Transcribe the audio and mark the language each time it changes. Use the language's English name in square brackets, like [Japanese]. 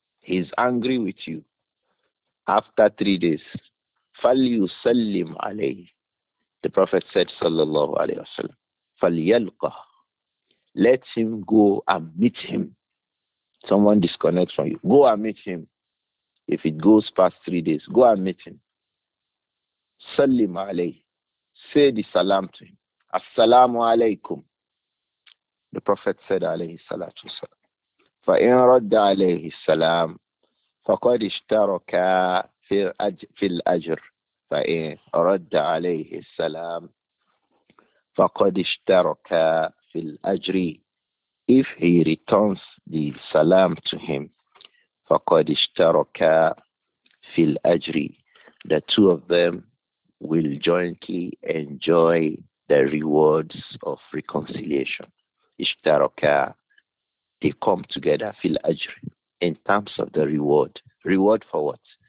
[English] He's angry with you. After 3 days, [Arabic] فَلْيُسَلِّمْ عَلَيْهِ [English] The Prophet said, sallallahu alayhi wa sallam, [Arabic] فَلْيَلْقَهُ [English] Let him go and meet him. Someone disconnects from you. Go and meet him. If it goes past 3 days, go and meet him. [Arabic] سَلِّمْ عَلَيْهِ [English] Say the salam to him. [Arabic] Assalamu alaykum. [English] The Prophet said, [Arabic] alayhi salatu wasalam, فَإِنْ رَدَّ عَلَيْهِ السَّلَامِ فَقَدْ اشْتَرَكَ فِي الْأَجْرِ فإيه رد عليه السلام فقد اشترك في الأجر. [English] If he returns the salam to him, [Arabic] فقد اشترك في الأجر. [English] The two of them will jointly enjoy the rewards of reconciliation. [Arabic] اشترك, [English] they come together [Arabic] في الأجر [English] in terms of the reward. Reward for what?